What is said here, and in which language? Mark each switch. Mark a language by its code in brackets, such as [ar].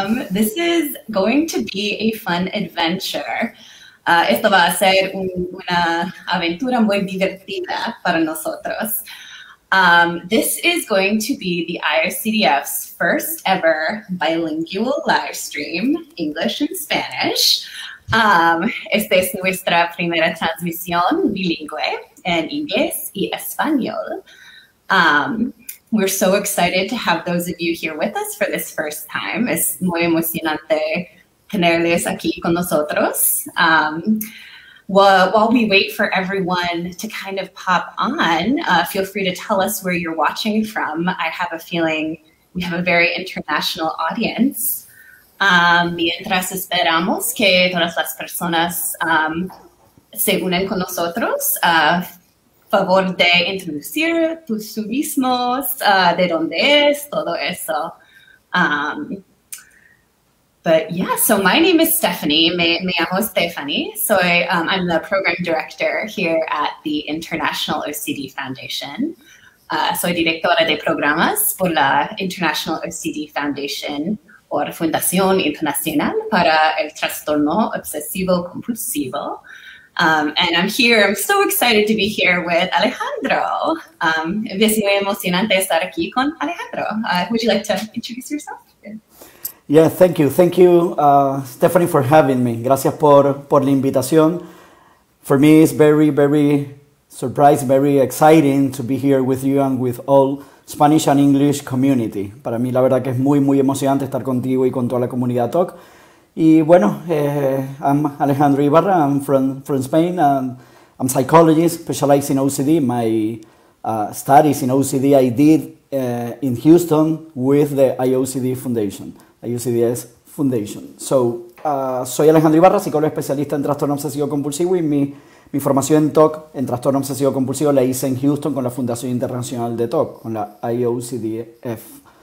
[en] This is going to be a fun adventure. [es] Esto va a ser una aventura muy divertida para nosotros. [en] This is going to be the IOCDF's first ever bilingual live stream, English and Spanish. [es] Esta es nuestra primera transmisión bilingüe en inglés y español. [en] We're so excited to have those of you here with us for this first time. [es] Es muy emocionante tenerles aquí con nosotros. [en] While we wait for everyone to kind of pop on, feel free to tell us where you're watching from. I have a feeling we have a very international audience. [es] Mientras esperamos que todas las personas se unen con nosotros, favor de introducir tú mismos, de dónde es, todo eso. [en] But yeah, so my name is Stephanie. [es] Me llamo Stephanie. Soy, [en] I'm the program director here at the International OCD Foundation. [es] Soy directora de programas por la International OCD Foundation o Fundación Internacional para el Trastorno Obsesivo Compulsivo. [en] And I'm here, I'm so excited to be here with Alejandro. [es] Es muy emocionante estar aquí con Alejandro. [en] Would you like to introduce yourself? Yeah, thank you. Thank you, Stephanie, for having me. [es] Gracias por la invitación. [en] For me, it's very, very surprised, very exciting to be here with you and with all Spanish and English community. [es] Para mí, la verdad que es muy, muy emocionante estar contigo y con toda la comunidad TOC. Y bueno, [en] I'm Alejandro Ibarra, I'm from Spain, and I'm a psychologist, specialized in OCD. My studies in OCD I did in Houston with the IOCD Foundation, IOCDF Foundation. [es] So, soy Alejandro Ibarra, psicólogo especialista en trastorno obsesivo compulsivo, y mi formación en TOC, en trastorno obsesivo compulsivo, la hice en Houston con la Fundación Internacional de TOC, con la IOCDF.